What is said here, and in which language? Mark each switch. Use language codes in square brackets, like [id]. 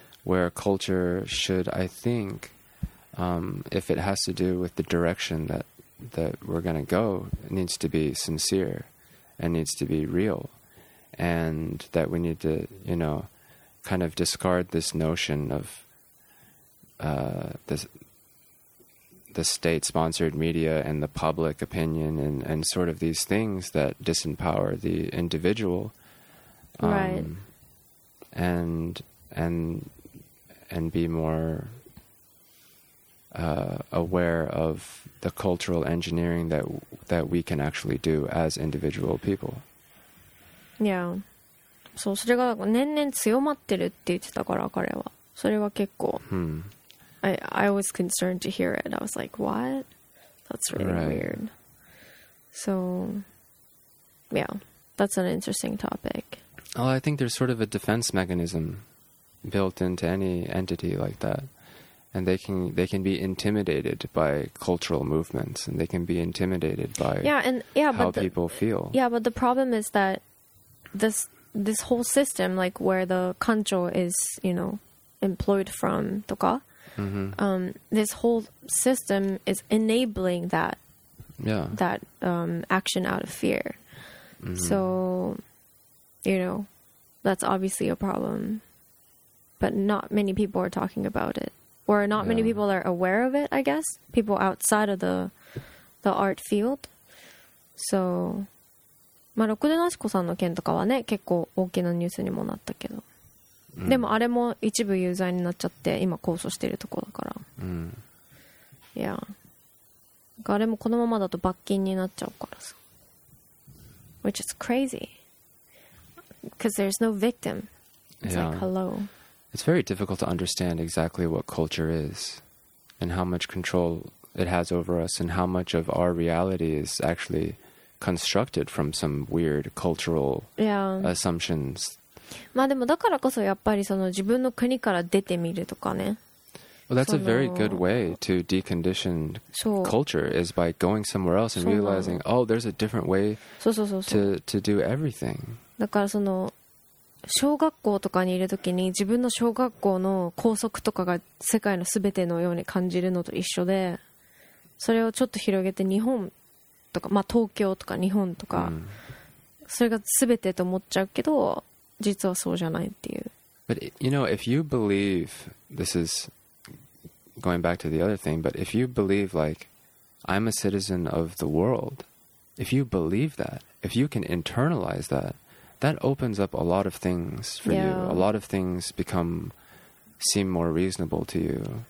[en] where culture should I think、if it has to do with the direction that, that we're going to go needs to be sincere and needs to be real and that we need to you know kind of discard this notion of、the state-sponsored media and the public opinion and sort of these things that disempower the individual. Right. And be more、aware of the cultural engineering that, that we can actually do as individual people. Yeah. [ja] So, それが年々強まってるって言ってたから、彼は。それは結構。 Hmm. [en] I was concerned to hear it. I was like, what? That's really、 right. weird. So, yeah, that's an interesting topic. Well, I think there's sort of a defense mechanism built into any entity like that. And they can be intimidated by cultural movements and they can be intimidated by yeah, and, yeah, how but the, people feel. Yeah, but the problem is that this whole system, like where the 館長 is, you know, employed from [ja] とか [en] Mm-hmm. This whole system is enabling that, yeah. that action out of fear.、 Mm-hmm. So, you know, that's obviously a problem. But not many people are talking about it. Or not、 yeah. many people are aware of it, I guess. People outside of the art field. [ja] So, まあ、ろくでなし子さんの件とかはね、結構大きなニュースにもなったけど。うん、でもあれも一部有罪になっちゃって今控訴してるところだから、うん、いやあれもこのままだと罰金になっちゃうからさ [en] Which is crazy Because there's no victim It's、 yeah. like hello It's very difficult to understand exactly what culture is And how much control it has over us And how much of our reality is actually constructed from some weird cultural、 yeah. assumptions [ja] まあ、でもだからこそやっぱりその自分の国から出てみるとかね [en] Well, that's a very good way to decondition culture is by going somewhere else and realizing, oh, there's a different way to do everything. [ja] だからその小学校とかにいるときに自分の小学校の校則とかが世界のすべてのように感じるのと一緒で、それをちょっと広げて日本とか、まあ、東京とか日本とか、それがすべてと思っちゃうけど、実はそうじゃないっていう。 [en] But you know, if you believe, this is going back to the other thing, but if you believe like I'm a citizen of the world, if you believe that, if you can internalize that,That opens up a lot of things for you. A lot of things seem more reasonable to you.